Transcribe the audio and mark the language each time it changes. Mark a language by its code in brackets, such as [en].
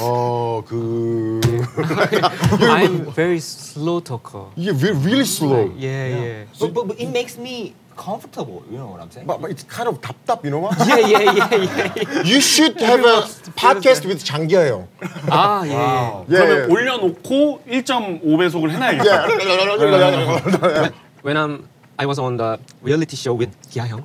[en] Oh, 그. I'm very slow talker. Yeah, we're really slow. Like, yeah. So, but it makes me comfortable. You know what I'm saying? But it's kind of 답답. You know what? Yeah. You should have a podcast with 장기하 형. Ah, yeah. Wow. Yeah. [ko] 그러면 올려놓고 1.5 배속을 해놔야겠다. [en] Yeah. When I was on the reality show with 기하형.